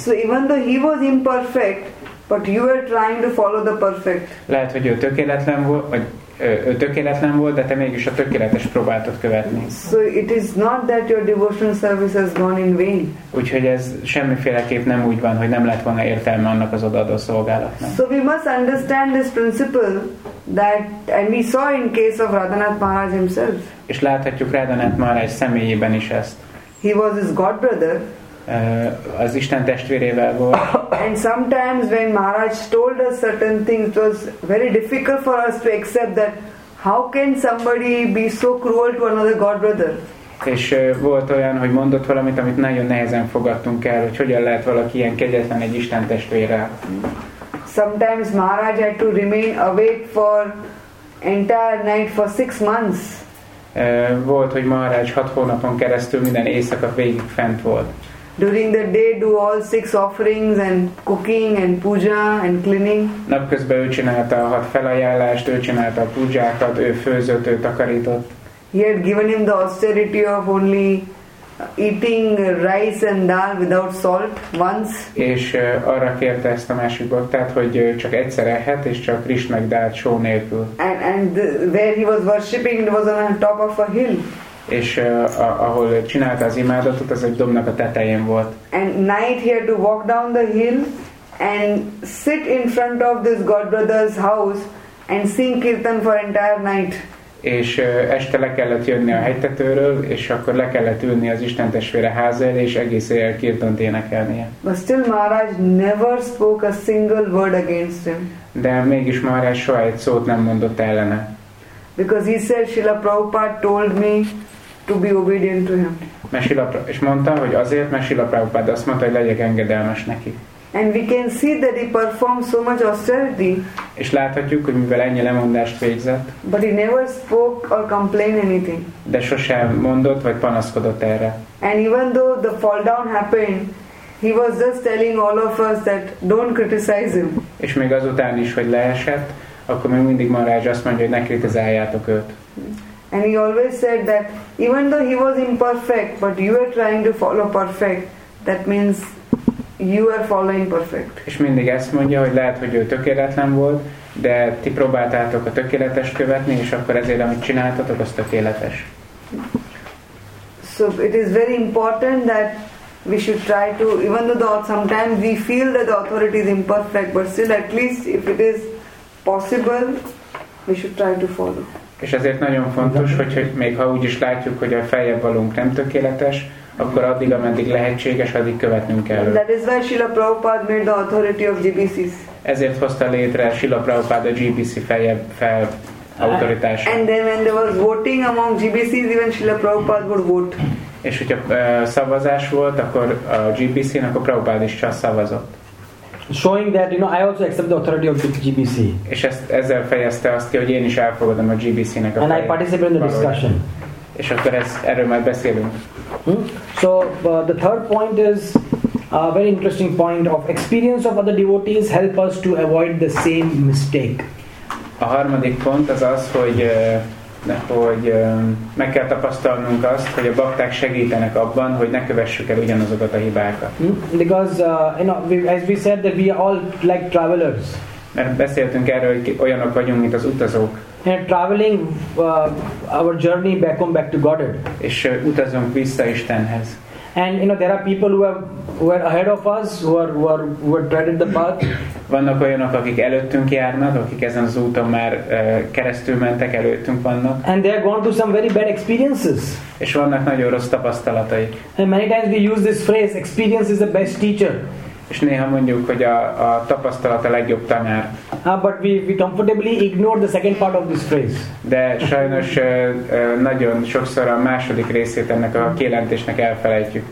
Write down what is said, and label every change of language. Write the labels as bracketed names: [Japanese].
[English] So even though he was imperfect, but you were trying to follow the perfect. [Hungarian] Lehet, hogy ő tökéletlen volt, de te mégis a tökéletes próbáltad követni. [English] So it is not that your devotional service has gone in vain. [Hungarian] Úgyhogy ez semmiféleképp nem úgy van, hogy nem lett volna értelme annak az odaadó szolgálatnak. [English] So we must understand this principle that, and we saw in case of Radhanath Maharaj himself. [Hungarian] És láthatjuk Radhanath Maharaj személyében is ezt. [English] He was his god brother. [Hungarian] Az Isten testvérével volt. [English] And sometimes when Maharaj told us certain things, it was very difficult for us to accept that how can somebody be so cruel to another god brother. [Hungarian] És volt olyan, hogy mondott valamit, amit nagyon nehezen fogadtunk el, hogy hogyan lehet valaki ilyen kegyetlen egy Isten testvérrel. [English] Sometimes Maharaj had to remain awake for entire night for 6 months. [Hungarian] Volt, hogy Maharaj 6 hónapon keresztül minden éjszaka végig fent volt. [English] During the day do all 6 offerings and cooking and puja and cleaning. [Hungarian] Napközben ő csinálta a 6 felajánlást, ő csinálta a pujákat, ő főzött, ő takarított. [English] He had given him the austerity of only eating rice and dal without salt once. [Hungarian] És arra kérte ezt a másik baktát, hogy csak egyszer ehet, és csak rizs meg dalt só nélkül. [English] And where he was worshipping, it was on the top of a hill. [Hungarian] És ahol csinálta az imádatot, az egy dombnak a tetején volt. [English] And night he had to walk down the hill and sit in front of this god brother's house and sing kirtan for entire night. [Hungarian] És este le kellett jönni a hegytetőről, és akkor le kellett ülni az Isten testvére háza elé, és egész éjjel kirtant énekelnie. [English] But still Maharaj never spoke a single word against him. [Hungarian] De mégis Maharaj soha egy szót nem mondott ellene. [English] Because he said Srila Prabhupada told me to be obedient to him. [Hungarian] És mondta, hogy azért, mert Srila Prabhupada azt mondta, hogy legyek engedelmes neki. [English] And we can see that he performed so much austerity. [Hungarian] És láthatjuk, hogy mivel ennyi lemondást végzett. [English] But he never spoke or complained anything. [Hungarian] De sosem mondott vagy panaszkodott erre. [English] And even though the fall down happened, he was just telling all of us that don't criticize him. [Hungarian] És még azután is, hogy leesett, akkor még mindig Maharaj azt mondja, hogy ne kritizáljátok őt. [English] And he always said that even though he was imperfect, but you are trying to follow perfect, that means you are following perfect. [Hungarian] És mindig ezt mondja, hogy lehet, hogy ő tökéletlen volt, de ti próbáltátok a tökéletes követni, és akkor ezért, amit csináltatok, az tökéletes. [English] So it is very important that we should try to, even though sometimes we feel that the authority is imperfect, but still at least if it is possible, we should try to follow. [Hungarian] És ezért nagyon fontos, hogy még ha úgy is látjuk, hogy a feljebb valunk nem tökéletes, akkor addig, ameddig lehetséges, addig követnünk kell. [English] That is why Srila Prabhupada made the authority of GBCs. [Hungarian] Ezért hozta létre Srila Prabhupada a GBC feljebb fel autoritását. [English] And then when there was voting among GBCs, even Srila Prabhupada would vote. [Hungarian] És hogyha szavazás volt, akkor a GBC-n, akkor Prabhupada is csak szavazott. [English] Showing that, you know, I also accept the authority of the GBC. [Hungarian] És ezzel fejezte azt ki, hogy én is elfogadom a GBC-nek a feljét. [English] And I participate in the discussion. [Hungarian] És akkor erről majd beszélünk. [English] So the third point is a very interesting point of experience of other devotees help us to avoid the same mistake. [Hungarian] A harmadik pont az az, hogy meg kell tapasztalnunk azt, hogy a bakták segítenek abban, hogy ne kövessük el ugyanazokat a hibákat. [English] Because as we said that we are all like travelers. [Hungarian] Mert beszéltünk erről, hogy olyanok vagyunk, mint az utazók. [English] And traveling our journey back home back to Godhead. [Hungarian] És utazunk vissza Istenhez. [English] And you know there are people who are ahead of us who are treading the path. [Hungarian] Vannak olyanok, akik előttünk járnak, akik ezen az úton már keresztülmentek, előttünk vannak. [English] And they have gone through some very bad experiences. [Hungarian] És vannak nagyon rossz tapasztalataik. [English] And many times we use this phrase, experience is the best teacher. [Hungarian] És néha mondjuk, hogy a tapasztalat a legjobb tanár. [English] But we comfortably ignore the second part of this phrase. [Hungarian] De sajnos nagyon sokszor a második részét ennek a kijelentésnek elfelejtjük.